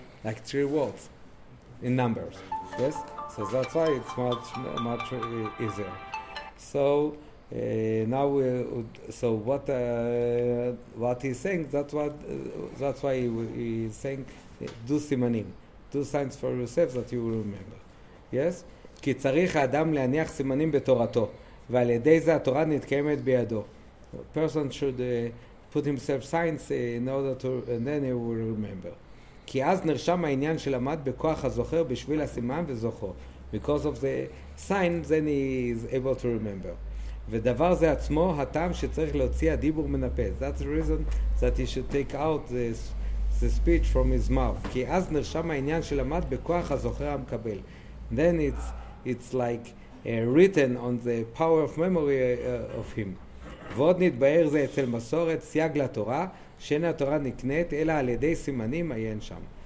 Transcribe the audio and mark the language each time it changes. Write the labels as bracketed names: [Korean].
[English] Like 3 words in numbers, yes? So that's why it's much easier. So now we, so what he's saying, that's why he's saying, do simanim, do signs for yourself that you will remember. Yes? [Hebrew] כי צריך האדם להניח סימנים בתורתו, ועל ידי זה התורה נתקיימת בידו. [English] Person should put himself signs in order to, and then he will remember. [Hebrew] כי אז נרשם העניין שלמד בכוח הזוכר בשביל הסימן וזוכו. [English] Because of the sign, then he is able to remember. [Hebrew] ודבר זה עצמו, הטעם שצריך להוציא הדיבור מן הפה. [English] That's the reason that he should take out the speech from his mouth. [Hebrew] כי אז נרשם העניין שלמד בכוח הזוכר המקבל. [English] Then it's like written on the power of memory of him. [Hebrew] ועוד נתבהר זה אצל מסורת סייג לתורה, שאין התורה נקנית, אלא על ידי סימנים עיין שם.